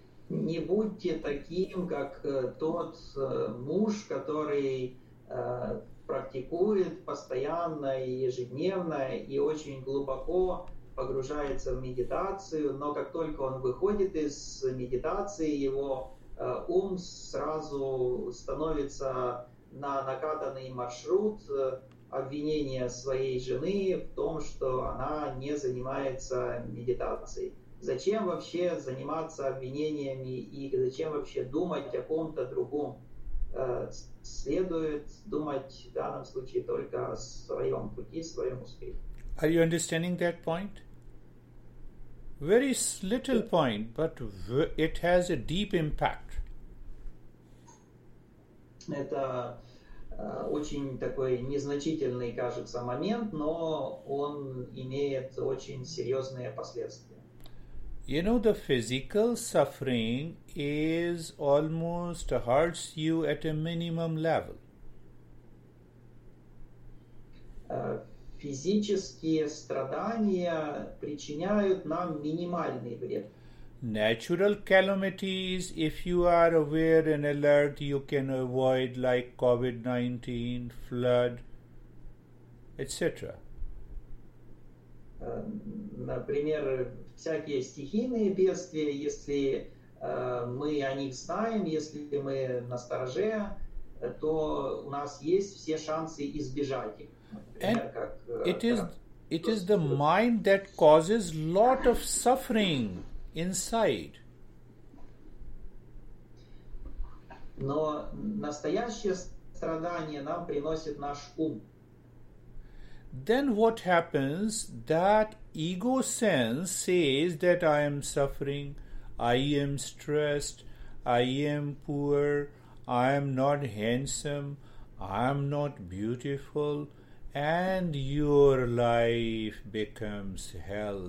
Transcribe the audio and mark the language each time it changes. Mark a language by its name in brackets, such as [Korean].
[Russian] Не будьте таким, как тот муж, который практикует постоянно и ежедневно и очень глубоко погружается в медитацию, но как только он выходит из медитации, его ум сразу становится на накатанный маршрут обвинения своей жены в том, что она не занимается медитацией. Зачем вообще заниматься обвинениями и зачем вообще думать о ком-то другом? Следует думать в данном случае только о своем пути, своем успехе. [English] Are you understanding that point? Very little point, but it has a deep impact. [Russian] Это очень такой незначительный, кажется, момент, но он имеет очень серьезные последствия. [English] You know, the physical suffering is almost hurts you at a minimum level. [Russian] Физические страдания причиняют нам минимальный вред. [English] Natural calamities, if you are aware and alert, you can avoid, like COVID-19, flood, etc. [Russian] Например, всякие стихийные бедствия, если мы о них знаем, если мы настороже, то у нас есть все шансы избежать их. [English] And it is the mind that causes lot of suffering inside. [Russian] Но настоящее страдание нам приносит наш ум. [English] Then what happens? That ego sense says that I am suffering, I am stressed, I am poor, I am not handsome, I am not beautiful. And your life becomes hell.